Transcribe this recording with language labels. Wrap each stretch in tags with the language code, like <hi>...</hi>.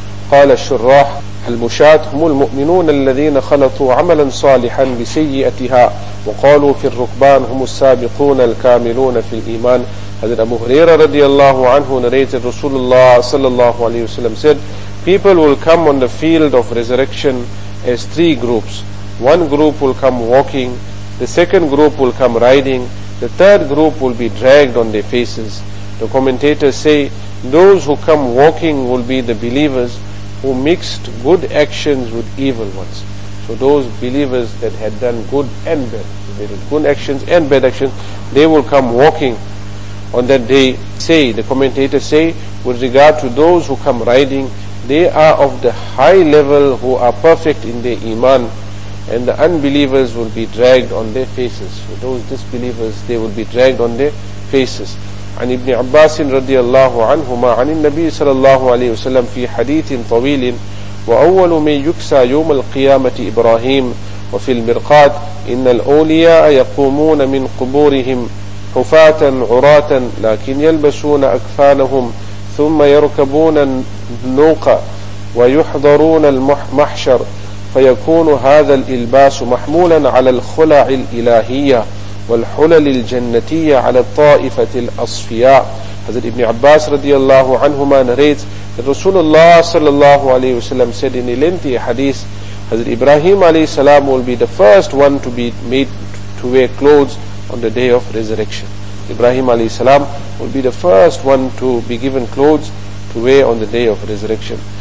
<ar>Qala ash-shurrah, المشات هم المؤمنون الذين خلطوا عملا صالحا بسيئتها وقالوا في الركبان هم السابقون الكاملون في الإيمان.</ar> <en>حضرت أبو هريرة رضي الله عنه narrated رسول الله صلى الله عليه وسلم said, people will come on the field of resurrection as 3 groups. One group will come walking, the second group will come riding, the third group will be dragged on their faces. The commentators say, those who come walking will be the believers who mixed good actions with evil ones. So those believers that had done good and bad, they did good actions and bad actions, they will come walking on that day. Say, the commentators say, with regard to those who come riding, they are of the high level who are perfect in their iman, and the unbelievers will be dragged on their faces. So those disbelievers, they will be dragged on their faces.</en> <ar>عن ابن عباس رضي الله عنهما عن النبي صلى الله عليه وسلم في حديث طويل وأول من يكسى يوم القيامة إبراهيم وفي المرقات إن الأولياء يقومون من قبورهم حفاة عراة لكن يلبسون أكفانهم ثم يركبون النوق ويحضرون المحشر فيكون هذا الإلباس محمولا على الخلع الإلهية والحلل الجنتية على الطائفة الأصفياء.</ar> <en>حضرت ابن عباس رضي الله عنهما narrates that Rasulullah صلى الله عليه وسلم said in a lengthy hadith, حضرت إبراهيم عليه السلام will be the first one to be made to wear clothes on the day of resurrection. إبراهيم عليه السلام will be the first one to be given clothes to wear on the day of resurrection.</en>